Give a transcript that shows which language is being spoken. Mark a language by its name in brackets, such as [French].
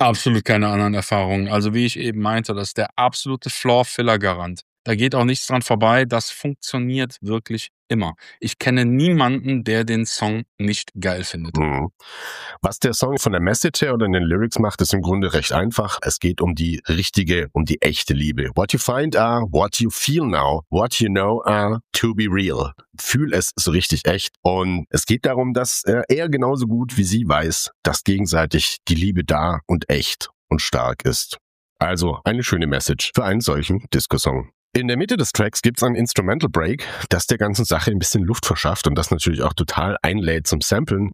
[German] Absolut keine anderen Erfahrungen. Also wie ich eben meinte, das ist der absolute Floor-Filler-Garant. Da geht auch nichts dran vorbei. Das funktioniert wirklich immer. Ich kenne niemanden, der den Song nicht geil findet. Mhm. Was der Song von der Message her oder in den Lyrics macht, ist im Grunde recht einfach. Es geht um die richtige, um die echte Liebe. [English] What you find are, what you feel now, what you know are, to be real. [German] Fühl es so richtig echt. Und es geht darum, dass er genauso gut wie sie weiß, dass gegenseitig die Liebe da und echt und stark ist. Also eine schöne Message für einen solchen Disco-Song. In der Mitte des Tracks gibt's einen Instrumental Break, das der ganzen Sache ein bisschen Luft verschafft und das natürlich auch total einlädt zum Samplen.